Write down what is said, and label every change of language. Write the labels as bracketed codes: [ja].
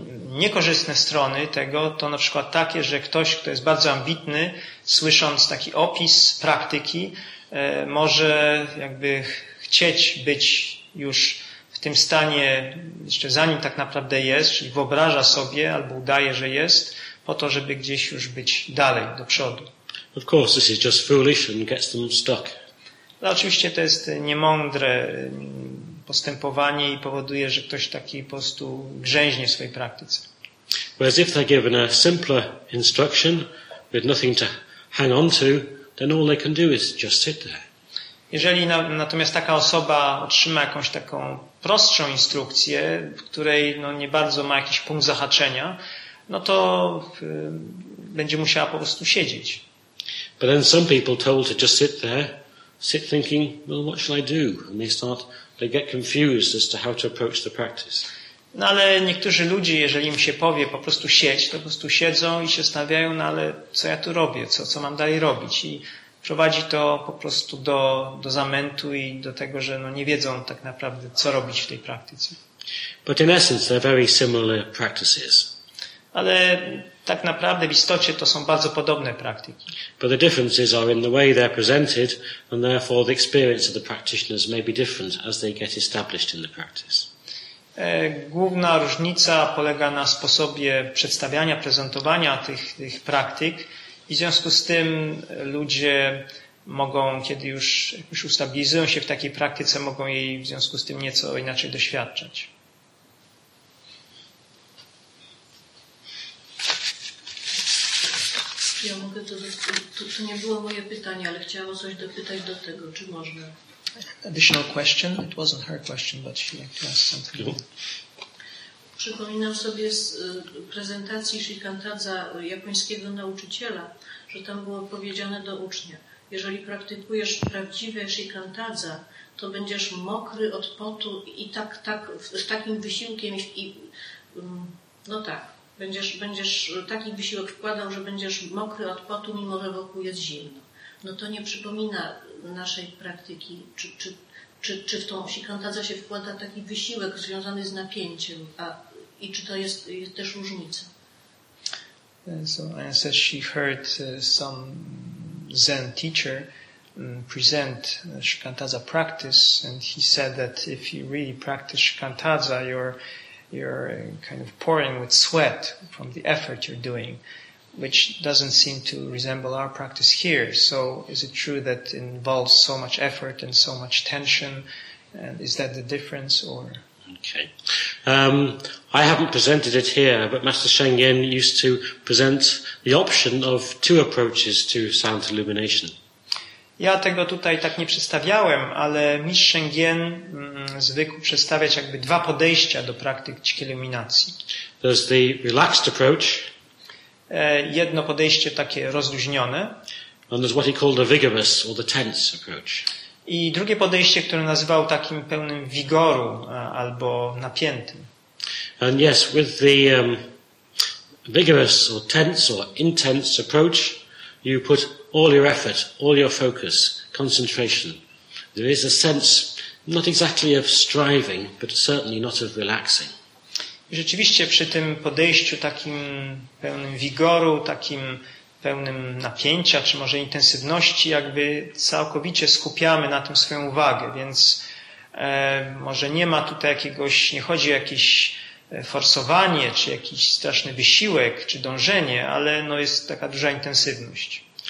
[pl] Niekorzystne strony tego to na przykład takie, że ktoś, kto jest bardzo ambitny, słysząc taki opis praktyki, może jakby chcieć być już w tym stanie, jeszcze zanim tak naprawdę jest, czyli wyobraża sobie albo udaje, że jest, po to, żeby gdzieś już być dalej, do przodu. [en] Of course, this is just foolish and gets them stuck. [pl] No, oczywiście to jest niemądre. postępowanie i powoduje, że ktoś taki po prostu grzęźnie w swojej praktyce. [en] Whereas if they're given a simpler instruction with nothing to hang on to, then all they can do is just sit there. [pl] Jeżeli natomiast taka osoba otrzyma jakąś taką prostszą instrukcję, w której no nie bardzo ma jakiś punkt zahaczenia, no to będzie musiała po prostu siedzieć. [en] But then some people told to just sit there, sit thinking, well, what shall I do? And they get confused as to how to approach the practice. [pl] No ale niektórzy ludzie, jeżeli im się powie po prostu siedź, to po prostu siedzą i się stawiają, no ale co ja tu robię, co mam dalej robić? I prowadzi to po prostu do zamętu i do tego, że no nie wiedzą tak naprawdę, co robić w tej praktyce. [en] But in essence, they're very similar practices. [pl] Ale tak naprawdę w istocie to są bardzo podobne praktyki. [en] But the differences are in the way they're presented, and therefore the experience of the practitioners may be different as they get established in the practice. [pl] Główna różnica polega na sposobie przedstawiania, prezentowania tych praktyk i w związku z tym ludzie mogą, kiedy już ustabilizują się w takiej praktyce, mogą jej w związku z tym nieco inaczej doświadczać. Ja mogę to nie było moje pytanie, ale chciałam coś dopytać do tego, czy można... [en] Additional question. It wasn't her question, but she liked to ask something. [pl] Przypominam sobie z prezentacji Shikantaza japońskiego nauczyciela, że tam było powiedziane do ucznia: jeżeli praktykujesz prawdziwe Shikantaza, to będziesz mokry od potu i tak z takim wysiłkiem i no tak, będziesz taki wysiłek wkładał, że będziesz mokry od potu, mimo że wokół jest zimno. No to nie przypomina naszej praktyki, czy w tą Shikantaza się wkłada taki wysiłek związany z napięciem, i czy to jest też różnica? [en] So I said she heard some Zen teacher present Shikantaza practice, and he said that if you really practice Shikantaza, you're kind of pouring with sweat from the effort you're doing, which doesn't seem to resemble our practice here. So is it true that it involves so much effort and so much tension? And is that the difference? Okay. I haven't presented it here, but Master Shengyen used to present the option of two approaches to sound illumination. [pl] Ja tego tutaj tak nie przedstawiałem, ale Mistrz Shengyen zwykł przedstawiać jakby dwa podejścia do praktyk iluminacji. [en] There's the relaxed approach. [pl] Jedno podejście takie rozluźnione. [en] And there's what he called a vigorous or the tense approach. [pl] I drugie podejście, które nazywał takim pełnym wigoru albo napiętym. [en] And yes, with the vigorous or tense or intense approach, you put all your effort, all your focus, concentration. There is a sense, not exactly of striving, but certainly not of relaxing. [pl] Rzeczywiście przy tym podejściu takim pełnym wigoru, takim pełnym napięcia, czy może intensywności, jakby całkowicie skupiamy na tym swoją uwagę, więc może nie ma tutaj jakiegoś, nie chodzi o jakieś forsowanie, czy jakiś straszny wysiłek, czy dążenie, ale no jest taka duża intensywność.